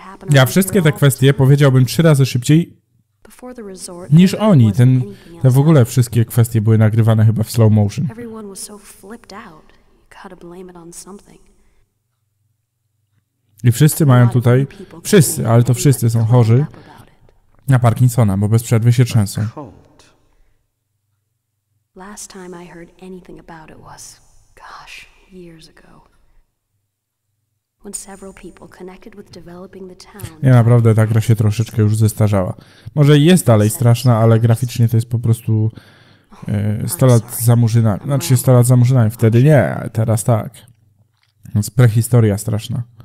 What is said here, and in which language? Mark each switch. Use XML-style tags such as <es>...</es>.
<pl>Ja wszystkie te kwestie powiedziałbym 3 razy szybciej niż oni. Te w ogóle wszystkie kwestie były nagrywane chyba w slow motion.</pl> <en>Everyone was so flipped out. To blame it on something.</en> <pl>I wszyscy mają tutaj, wszyscy, ale to wszyscy są chorzy na Parkinsona, bo bez przerwy się trzęsą.</pl> <en>Last time I heard anything about it was, gosh, years ago. When several people connected with developing the town.</en> <pl>Nie, naprawdę ta gra się troszeczkę już zestarzała. Może jest dalej straszna, ale graficznie to jest po prostu 100 lat za murzynami. Znaczy 100 lat za murzynami. Wtedy nie, teraz tak. Więc prehistoria straszna.</pl>